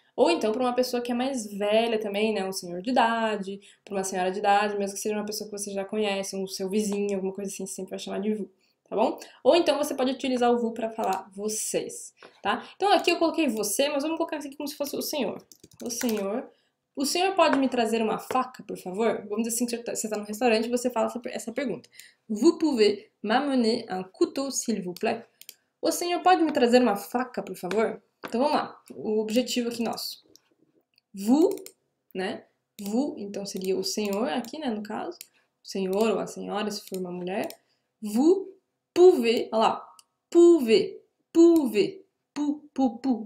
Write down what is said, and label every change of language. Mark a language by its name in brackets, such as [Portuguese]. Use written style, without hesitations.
[Portuguese] Ou então para uma pessoa que é mais velha também, né? Um senhor de idade, para uma senhora de idade, mesmo que seja uma pessoa que você já conhece, um seu vizinho, alguma coisa assim, você sempre vai chamar de vous, tá bom? Ou então você pode utilizar o vous para falar vocês, tá? Então aqui eu coloquei você, mas vamos colocar aqui como se fosse o senhor. O senhor. O senhor pode me trazer uma faca, por favor? Vamos dizer assim, que você está no restaurante, você fala essa pergunta. [French] Vous pouvez m'amener un couteau, s'il vous plaît? [Portuguese] O senhor pode me trazer uma faca, por favor? Então vamos lá. O objetivo aqui nosso. Vous, né? Vous, então seria o senhor aqui, né, no caso. O senhor ou a senhora, se for uma mulher. [French] Vous pouvez, [Portuguese] olha lá. [French] Pouvez, pouvez, pou, pou, pou.